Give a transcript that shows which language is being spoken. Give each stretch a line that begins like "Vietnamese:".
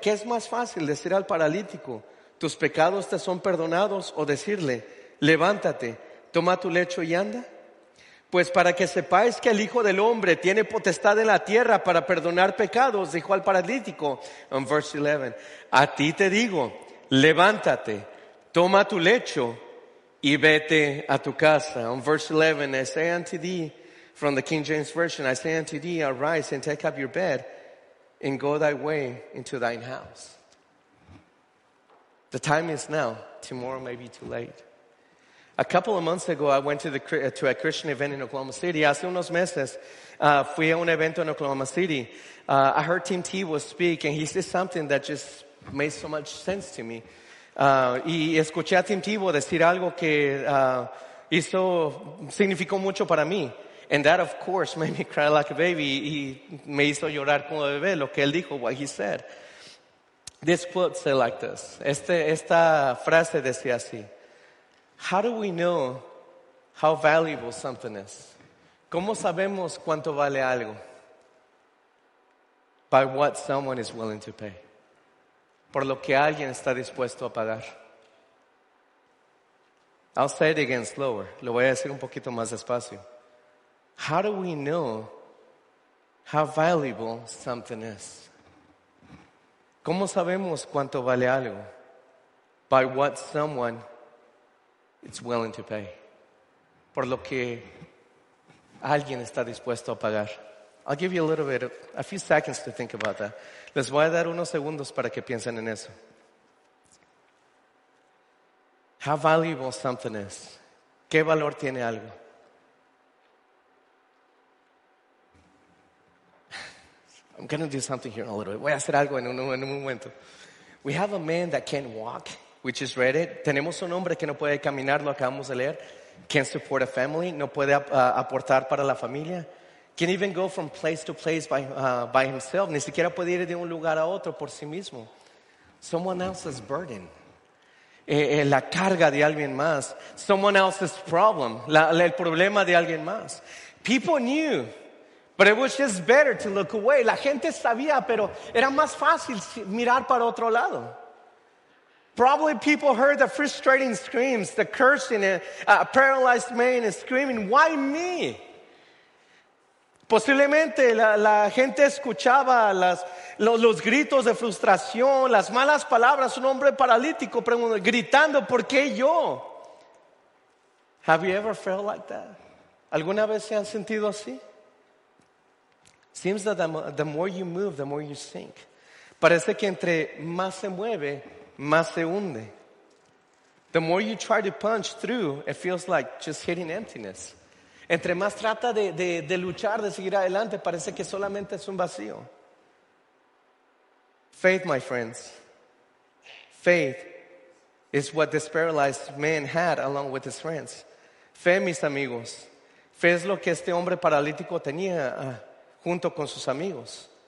Spanish: ¿Qué es más fácil, decir al paralítico, tus pecados te son perdonados, o decirle, levántate, toma tu lecho y anda? Pues para que sepáis que el Hijo del Hombre tiene potestad en la tierra para perdonar pecados, dijo al paralítico, en verse 11, a ti te digo, levántate, toma tu lecho y vete a tu casa.
English: En verse 11, I say unto thee, from the King James Version, I say unto thee, arise and take up your bed and go thy way into thine house. The time is now, tomorrow may be too late. A couple of months ago, I went to a Christian event in Oklahoma City.
Spanish: Hace unos meses, fui a un evento en Oklahoma City.
English: I heard Tim Tebow speak, and he said something that just made so much sense to me.
Spanish: Y escuché a Tim Tebow decir algo que hizo, significó mucho para mí.
English: And that, of course, made me cry like a baby.
Spanish: Y me hizo llorar como bebé lo que él dijo,
English: what he said. This quote said like this.
Spanish: Esta frase decía así.
English: How do we know how valuable something is?
Spanish: ¿Cómo sabemos cuánto vale algo?
English: By what someone is willing to pay.
Spanish: por lo que alguien está dispuesto a pagar.
English: I'll say it again slower.
Spanish: Lo voy a decir un poquito más despacio.
English: How do we know how valuable something is?
Spanish: ¿Cómo sabemos cuánto vale algo?
English: By what someone is willing to pay.
Spanish: Por lo que alguien está dispuesto a pagar.
English: I'll give you a little bit, a few seconds to think about that.
Spanish: Les voy a dar unos segundos para que piensen en eso.
English: How valuable something is.
Spanish: ¿Qué valor tiene algo?
English: I'm going to do something here in a little bit.
Spanish: Voy a hacer algo en un momento.
English: We have a man that can't walk. We just read it.
Spanish: Tenemos un hombre que no puede caminar. Lo acabamos de leer.
English: Can't support a family.
Spanish: No puede aportar para la familia.
English: Can't even go from place to place by himself.
Spanish: Ni siquiera puede ir de un lugar a otro por sí mismo.
English: Someone else's burden.
Spanish: La carga de alguien más.
English: Someone else's problem.
Spanish: El problema de alguien más.
English: People knew. But it was just better to look away.
Spanish: La gente sabía, pero era más fácil mirar para otro lado.
English: Probably people heard the frustrating screams, the cursing, a paralyzed man is screaming, why me?
Spanish: Posiblemente la gente escuchaba los gritos de frustración, las malas palabras, un hombre paralítico gritando, ¿por qué yo?
English: Have you ever felt like that?
Spanish: ¿Alguna vez se han sentido así?
English: Seems that the more you move, the more you sink.
Spanish: Parece que entre más se mueve, más se hunde.
English: The more you try to punch through, it feels like just hitting emptiness.
Spanish: Entre más trata de luchar, de seguir adelante, parece que solamente es un vacío.
English: Faith, my friends. Faith is what this paralyzed man had along with his friends.
Spanish: Fe, mis amigos. Fe es lo que este hombre paralítico tenía junto con sus amigos.